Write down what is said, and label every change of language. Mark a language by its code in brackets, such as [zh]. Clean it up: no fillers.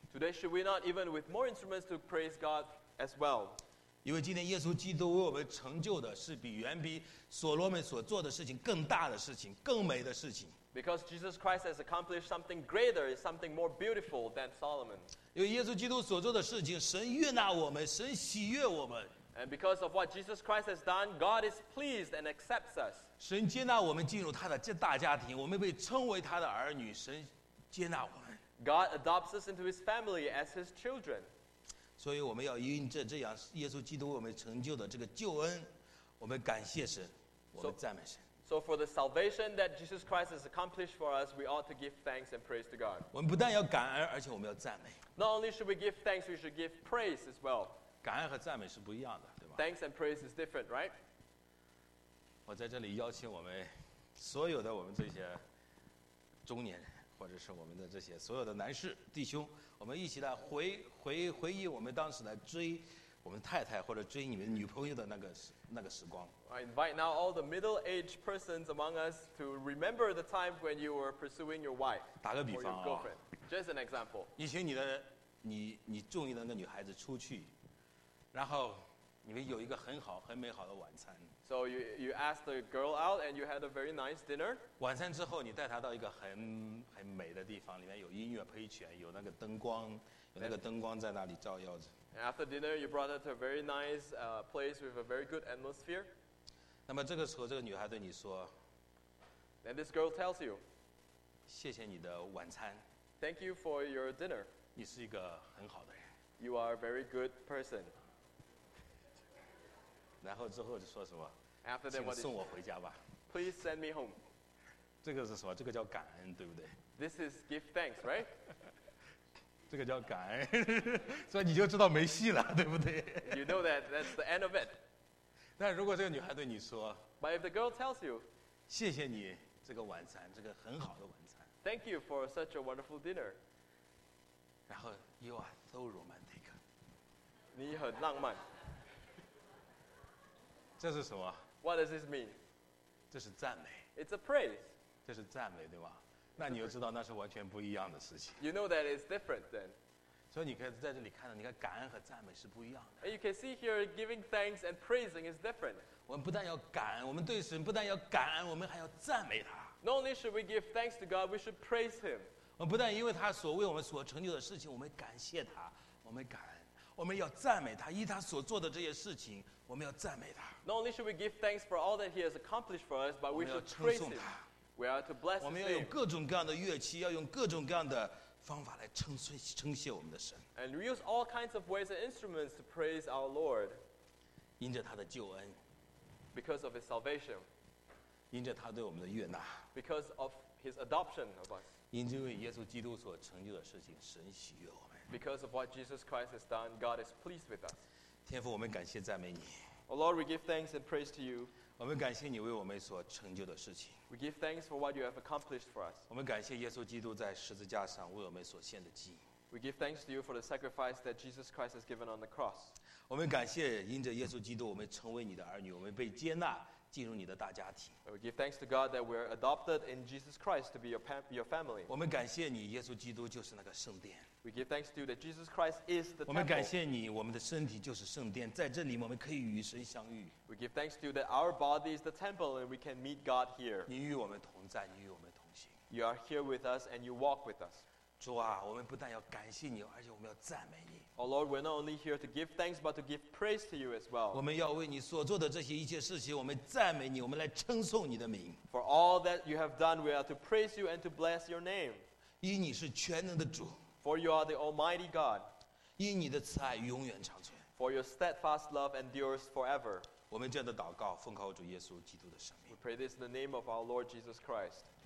[en] Today should we not even with more instruments to praise God as well? [zh] 因为今天耶稣基督为我们成就的是比所罗门所做的事情更大的事情，更美的事情。 [en] Because Jesus Christ has accomplished something greater, is something more beautiful than Solomon. [zh] 因为耶稣基督所做的事情，神悦纳我们，神喜悦我们。 [en] And because of what Jesus Christ has done, God is pleased and accepts us. [zh] 神接纳我们进入他的大家庭，我们被称为他的儿女，神接纳我们。 [en] God adopts us into his family as his children. [zh] 所以我们要因着这样耶稣基督为我们成就的这个救恩，我们感谢神，我们赞美神。 [en] So for the salvation that Jesus Christ has accomplished for us, we ought to give thanks and praise to God. [zh] 我们不但要感恩，而且我们要赞美。 [en] Not only should we give thanks, we should give praise as well. [zh] 感恩和赞美是不一样的，对吧？ [en] Thanks and praise is different, right? [zh] 我在这里邀请我们所有的我们这些中年人，或者是我们的这些所有的男士弟兄，我们一起来回忆我们当时来追我们太太或者追你们女朋友的那个时光。 [en] I invite now all the middle-aged persons among us to remember the time when you were pursuing your wife. [zh] 打个比方啊 [en] ，just an example. [zh] 以前你中意的那个女孩子出去，然后你们有一个很好很美好的晚餐。 [en] So you asked the girl out and you had a very nice dinner. [zh] 晚餐之后，你带她到一个很美的地方，里面有音乐配曲，有那个灯光，有那个灯光在那里照耀着。 [en] After dinner, you brought her to a very nice place with a very good atmosphere. [zh] 那么这个时候，这个女孩对你说 [en] ，Then this girl tells you, [zh] 谢谢你的晚餐。 [en] Thank you for your dinner. [zh] 你是一个很好的人。 [en] You are a very good person. [zh] 然后之后就说什么 [en] ？After that, [zh] 请送我回家吧。 [en] Please send me home. [zh] 这个是什么？这个叫感恩，对不对 [en] ？This is give thanks, right? [zh] 这个叫感恩，所以你就知道没戏了，对不对 [en] ？You know that that's the end of it. [zh] 但如果这个女孩对你说 [en] ，But if the girl tells you， [zh] 谢谢你这个晚餐，这个很好的晚餐。 [en] Thank you for such a wonderful dinner. [zh] 然后 [en] you are so romantic. [zh] 你很浪漫。这是什么 [en] ？What does this mean？ [zh] 这是赞美。 [en] It's a praise. [zh] 这是赞美，对吧？那你就知道那是完全不一样的事情。 [en] You know that it's different then. [zh] 所以你可以在这里看到，你看感恩和赞美是不一样的。 [en] And you can see here giving thanks and praising is different. [zh] 我们不但要感恩，我们对神不但要感恩，我们还要赞美他。 [en] Not only should we give thanks to God, we should praise Him. [zh] 我们不但因为他所为我们所成就的事情，我们感谢他，我们感恩，我们要赞美他，依他所做的这些事情，我们要赞美他。 [en] Not only should we give thanks for all that He has accomplished for us, but we should praise Him. We are to bless him. [zh] 我们要用各种各样的乐器，要用各种各样的方法来称谢我们的神。 [en] And we use all kinds of ways and instruments to praise our Lord. [zh] 因着他的救恩。 [en] Because of his salvation. [zh] 因着他对我们的悦纳。 [en] Because of his adoption of us. [zh] 因着为耶稣基督所成就的事情，神喜悦我们。 [en] Because of what Jesus Christ has done, God is pleased with us. [zh] 天父，我们感谢赞美你。 [en] Oh Lord, we give thanks and praise to you. [zh] 我们感谢你为我们所成就的事情。 [en] We give thanks for what you have accomplished for us. [zh] 我们感谢耶稣基督在十字架上为我们所献的祭。 [en] We give thanks to you for the sacrifice that Jesus Christ has given on the cross. [zh] 我们感谢因着耶稣基督，我们成为你的儿女，我们被接纳进入你的大家庭。 [en] We give thanks to God that we are adopted in Jesus Christ to be your family. [zh] 我们感谢你，耶稣基督就是那个圣殿。 [en] We give thanks to you that Jesus Christ is the temple. [zh] 我们感谢你，我们的身体就是圣殿，在这里我们可以与神相遇。 [en] We give thanks to you that our body is the temple and we can meet God here. [zh] 你与我们同在，你与我们同行。 [en] You are here with us and you walk with us. [zh] 主啊，我们不但要感谢你，而且我们要赞美你。 [en] Oh Lord, we're not only here to give thanks but to give praise to you as well. [zh] 我们要为你所做的这些一切事情，我们赞美你，我们来称颂你的名。 [en] For all that you have done, we are to praise you and to bless your name. [zh] 因你是全能的主。 [en] For you are the Almighty God. [zh] 因你的慈爱永远长存。 [en] For your steadfast love endures forever. [zh] 我们这样的祷告，奉靠主耶稣基督的圣名。 [en] We pray this in the name of our Lord Jesus Christ.